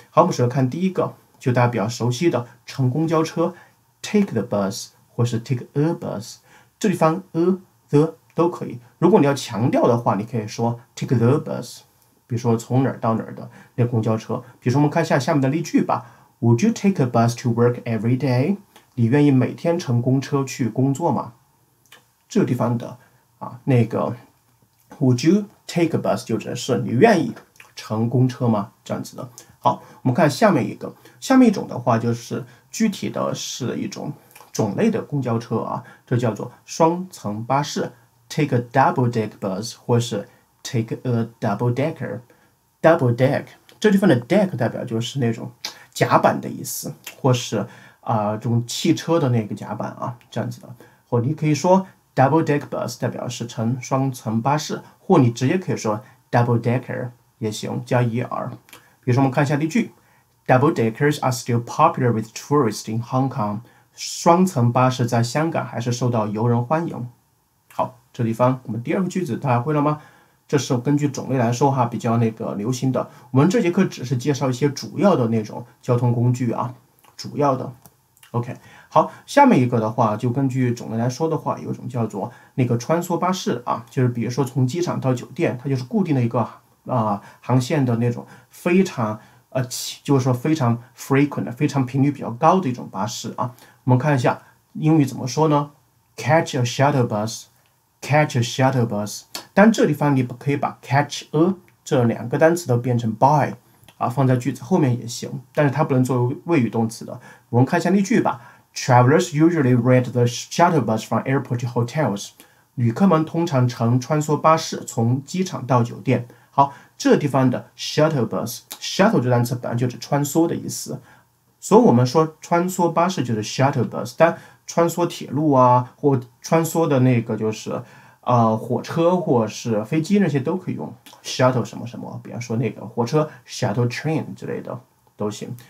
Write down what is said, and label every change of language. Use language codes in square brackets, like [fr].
[zh] 好，我们首先看第一个，就大家比较熟悉的乘公交车 ， [en] take the bus [zh] 或是 [en] take a bus， [zh] 这地方 the 都可以。如果你要强调的话，你可以说 [en] take the bus。 [zh] 比如说从哪儿到哪儿的那公交车，比如说我们看一下下面的例句吧。 [en] Would you take a bus to work every day? [zh] 你愿意每天乘公车去工作吗？这个地方的啊，那个 [en] Would you take a bus [zh] 就指的是你愿意乘公车吗？这样子的。好，我们看下面一个，下面一种的话就是具体的是一种种类的公交车啊，这叫做双层巴士 [en] take a double deck bus [zh] 或是 [en] Take a double decker， [zh] double deck 这地方的 deck 代表就是那种甲板的意思，或是这种汽车的那个甲板啊，这样子的。或你可以说 [en] double deck bus [zh] 代表是乘双层巴士，或你直接可以说 double decker 也行，加 er。比如说我们看一下例句 [en] ，double deckers are still popular with tourists in Hong Kong。 [zh] 双层巴士在香港还是受到游人欢迎。好，这地方我们第二个句子大家会了吗？这是根据种类来说哈，比较那个流行的。我们这节课只是介绍一些主要的那种交通工具啊，主要的。 OK， 好，下面一个的话，就根据种类来说的话，有一种叫做那个穿梭巴士啊，就是比如说从机场到酒店，它就是固定的一个航线的那种非常就是说非常 frequent， 非常频率比较高的一种巴士啊。我们看一下英语怎么说呢 [en] ？Catch a shuttle bus， catch a shuttle bus。 [zh] 但这地方你可以把 [en] catch a [zh] 这两个单词都变成 by 啊，放在句子后面也行，但是它不能作为谓语动词的。我们看一下例句吧。 [en] Travelers usually rent the shuttle bus from airport to hotels。 [zh] 旅客们通常乘穿梭巴士从机场到酒店。好，这地方的 shuttle bus， shuttle 这单词本来就是穿梭的意思，所以我们说穿梭巴士就是 shuttle bus， 但穿梭铁路啊，或穿梭的那个就是火车或是飞机那些都可以用 shuttle 什么什么，比方说那个火车 shuttle train 之类的都行。